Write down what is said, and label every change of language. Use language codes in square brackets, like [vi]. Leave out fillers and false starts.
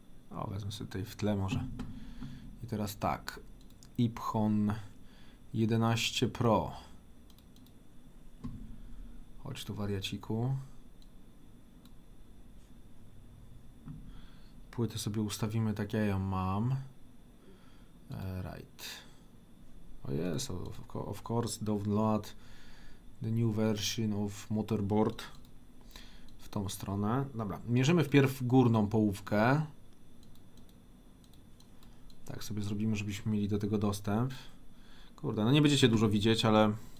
[pl] O, wezmę sobie tutaj w tle może. I teraz tak, Iphone 11 Pro. Chodź tu, wariaciku. Płytę sobie ustawimy tak, jak ja ją mam. [en] Right. [pl] O jest, [en] of course, download the new version of motherboard. [pl] W tą stronę. Dobra, mierzymy wpierw górną połówkę. Tak sobie zrobimy, żebyśmy mieli do tego dostęp. Kurde, no nie będziecie dużo widzieć, ale...